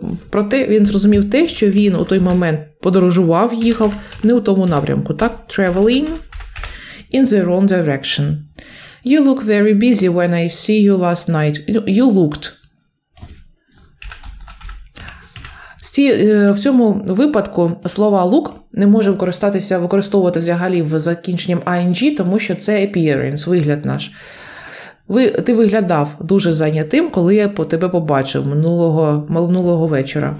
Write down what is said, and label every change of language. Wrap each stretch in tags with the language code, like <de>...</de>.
<uk>Проте він зрозумів те, що він у той момент подорожував, їхав не у тому напрямку, так?</uk> <en>Traveling in the wrong direction. You look very busy when I see you last night. You looked.</en> <uk>В цьому випадку слово look не може використовувати взагалі в закінченням ing, тому що це appearance, вигляд наш. Ти виглядав дуже зайнятим, коли я по тебе побачив минулого вечора.</uk>